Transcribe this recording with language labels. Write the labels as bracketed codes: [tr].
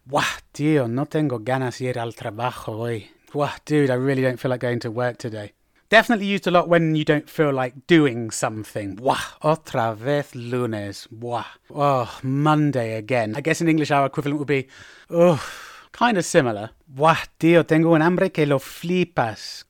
[es] Wah, tío, no tengo ganas de ir al trabajo hoy. [en] Wah, dude, I really don't feel like going to work today. Definitely used a lot when you don't feel like doing something. [es] Wah, otra vez lunes. Wah, [en] oh, Monday again. I guess in English our equivalent would be, oh, kind of similar. [es] Wah, tío, tengo un hambre que lo flipas.